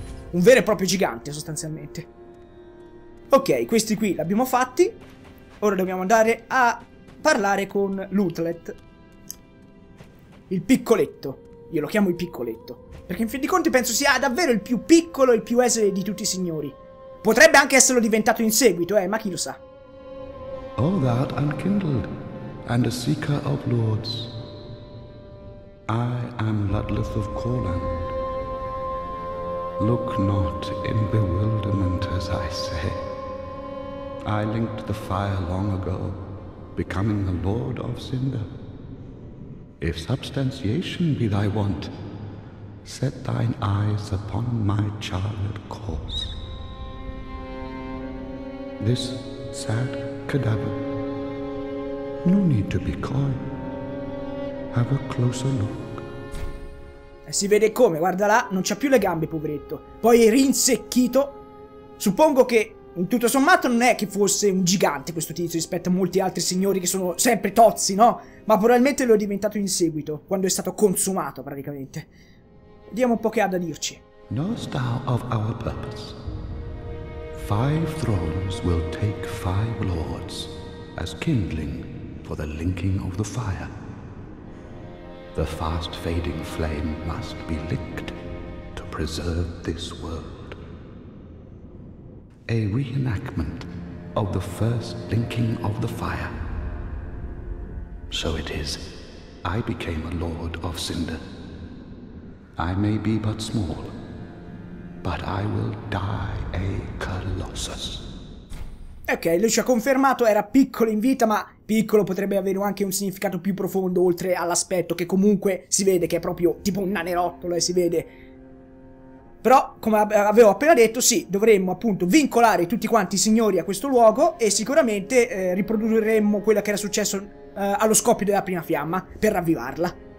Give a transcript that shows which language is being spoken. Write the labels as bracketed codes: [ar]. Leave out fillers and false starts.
[it] Un vero e proprio gigante, sostanzialmente. Ok, questi qui li abbiamo fatti. Ora dobbiamo andare a parlare con Lutlet. Il piccoletto. Io lo chiamo il piccoletto, perché in fin di conti penso sia davvero il più piccolo e il più esile di tutti i signori. Potrebbe anche esserlo diventato in seguito, ma chi lo sa. [en] All that unkindled and a seeker of lords. I am Ludlith of Courland. Look not in bewilderment as I say. I linked the fire long ago, becoming the Lord of Cinder. If substantiation be thy want, set thine eyes upon my charred corpse. This sad cadaver, no need to be coy. Have a closer look. [it] Si vede come, guarda là, non c'ha più le gambe, poveretto. Poi è rinsecchito. Suppongo che, in tutto sommato, non è che fosse un gigante questo tizio rispetto a molti altri signori che sono sempre tozzi, no? Ma probabilmente lo è diventato in seguito, quando è stato consumato, praticamente. Vediamo un po' che ha da dirci. [en] Knowest thou of our purpose? Five thrones will take five lords as kindling for the linking of the fire. The fast fading flame must be licked to preserve this world. A reenactment of the first linking of the fire. So it is, I became a lord of Cinder. I may be but small, but I will die a colossus. [it] Ok, lui ci ha confermato, era piccolo in vita, ma piccolo potrebbe avere anche un significato più profondo, oltre all'aspetto, che comunque si vede che è proprio tipo un nanerottolo, si vede. Però, come avevo appena detto, sì, dovremmo appunto vincolare tutti quanti i signori a questo luogo e sicuramente riprodurremmo quello che era successo allo scoppio della prima fiamma, per ravvivarla.